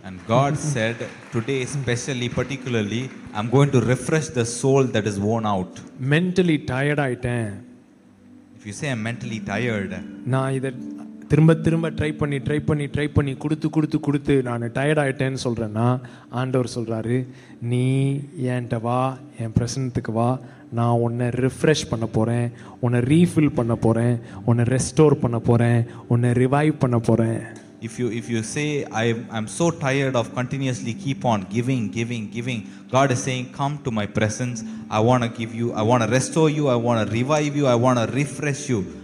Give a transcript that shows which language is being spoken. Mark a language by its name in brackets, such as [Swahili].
[English] And God said today especially particularly I'm going to refresh the soul that is worn out. Mentally tired [Tamil] ஆயிட்டேன். [English] If you say I'm mentally tired. [Tamil] நான் இத திரும்ப try பண்ணி கொடுத்து நான் tired ஆயிட்டேன்னு சொல்றேனா ஆண்டவர் சொல்றாரு, நீ என்கிட்ட வா, என் பிரசன்னத்துக்கு வா, நான் உன்னை ரிஃப்ரெஷ் பண்ண போறேன், உன்னை ரீஃபில் பண்ண போறேன், உன்னை ரெஸ்டோர் பண்ண போறேன், உன்னை ரிவைவ் பண்ண போறேன். [English] If you say I'm so tired of continuously keep on giving, God is saying come to my presence. I want to give you, I want to restore you, I want to revive you, I want to refresh you.